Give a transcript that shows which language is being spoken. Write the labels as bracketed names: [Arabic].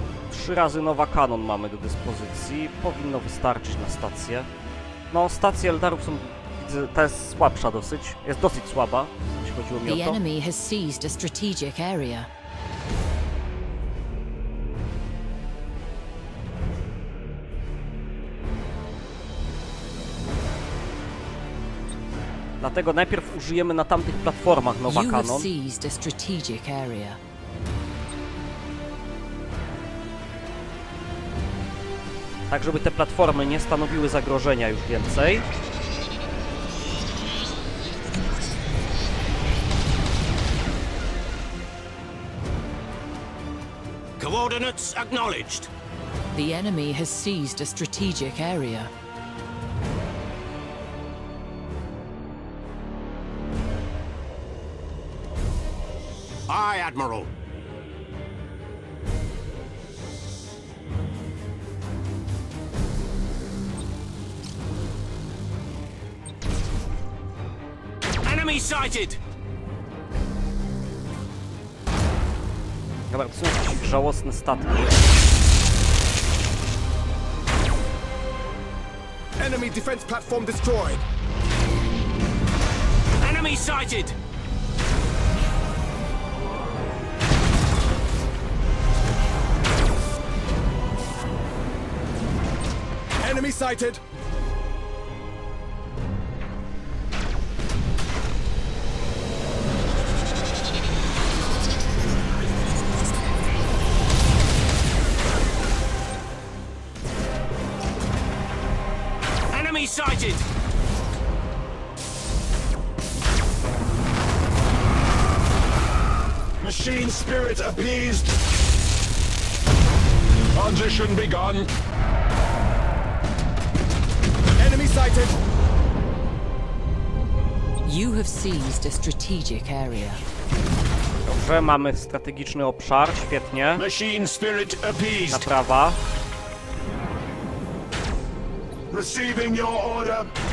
[Polish] Trzy razy nowa kanon mamy do dyspozycji. Powinno wystarczyć na stację. No, stacje Eldarów są... Ta jest słabsza dosyć. Jest dosyć słaba, jeśli chodziło mi o to. [English] The enemy has seized a strategic area. [Polish] Dlatego najpierw użyjemy na tamtych platformach Nova Canon. [English] You have seized a strategic area. [Polish] Tak, żeby te platformy nie stanowiły zagrożenia już więcej. [English] Coordinates acknowledged. The enemy has seized a strategic area. Aye, Admiral. Enemy sighted. [Polish] Dobra, to są jakieś żałosne statki. [English] Enemy defense platform destroyed. Enemy sighted. Enemy sighted. Machine spirit appeased. Transition begun. Enemy sighted. You have seized a strategic area. [Polish] Dobrze, mamy strategiczny obszar, świetnie. [English] Machine spirit appeased. [Polish] Naprawa. [English] Receiving your order.